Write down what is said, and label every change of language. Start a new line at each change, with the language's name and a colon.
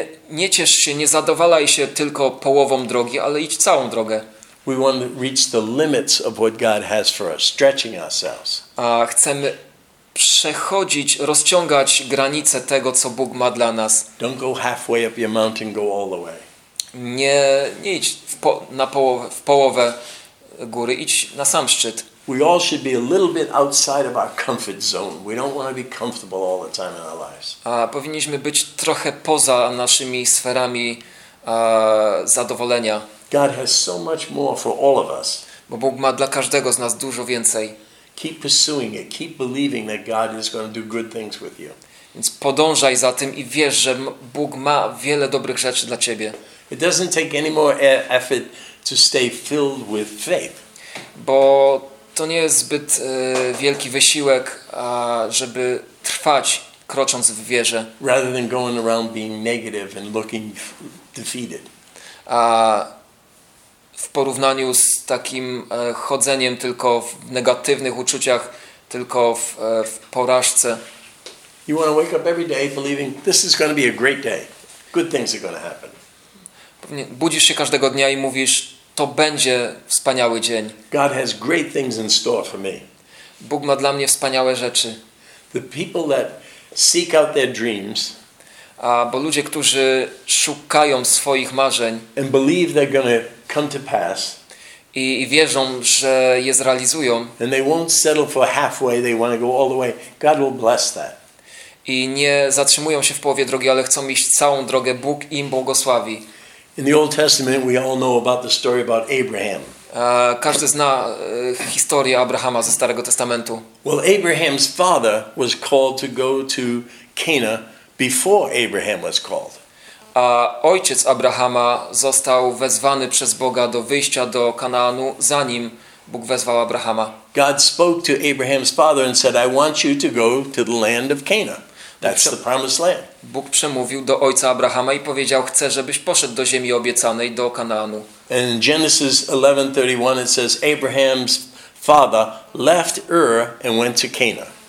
Polish: Nie ciesz się, nie zadowalaj się tylko połową drogi, ale idź całą drogę.
English: We want to reach the limits of what God has for us, stretching ourselves.
Polish: Chcemy przechodzić, rozciągać granice tego, co Bóg ma dla nas.
English: Don't go halfway up your mountain, go all the way.
Polish: Nie idź w połowę góry, idź na sam szczyt.
English: We all should be a little bit outside of our comfort zone. We don't want to be comfortable all the time in our lives.
Polish: Powinniśmy być trochę poza naszymi sferami zadowolenia.
English: God has so much more for all of us.
Polish: Bo Bóg ma dla każdego z nas dużo więcej.
English: Keep pursuing it. Keep believing that God is going to do good things with you.
Polish: Więc podążaj za tym i wierz, że Bóg ma wiele dobrych rzeczy dla ciebie.
English: It doesn't take any more effort to stay filled with faith.
Polish: Bo to nie jest zbyt wielki wysiłek, żeby trwać krocząc w wierze.
English: Rather than going around being negative and looking defeated.
Polish: W porównaniu z takim chodzeniem tylko w negatywnych uczuciach, tylko w porażce.
English: You want to wake up every day believing this is going to be a great day. Good things are going to happen.
Polish: Budzisz się każdego dnia i mówisz, to będzie wspaniały dzień.
English: God has great things in store for me.
Polish: Bóg ma dla mnie wspaniałe rzeczy.
English: The people that seek out their dreams.
Polish: Bo ludzie, którzy szukają swoich marzeń
English: and believe they're going to come to pass,
Polish: i wierzą, że je zrealizują,
English: and they won't settle for halfway, they want to go all the way, God will bless that.
Polish: I nie zatrzymują się w połowie drogi, ale chcą iść całą drogę, Bóg im błogosławi.
English: In the Old Testament we all know about the story about Abraham.
Polish: Każdy zna historię Abrahama ze Starego Testamentu.
English: Well, Abraham's father was called to go to Cana before Abraham was called.
Polish: A ojciec Abrahama został wezwany przez Boga do wyjścia do Kanaanu, zanim Bóg wezwał Abrahama.
English: God spoke to Abraham's father and said, I want you to go to the land of Cana. That's the promised land.
Polish: Bóg przemówił do ojca Abrahama i powiedział, chcę, żebyś poszedł do ziemi obiecanej, do Kanaanu.
English: And in Genesis 11:31 it says, Abraham's father left Ur and went to Cana.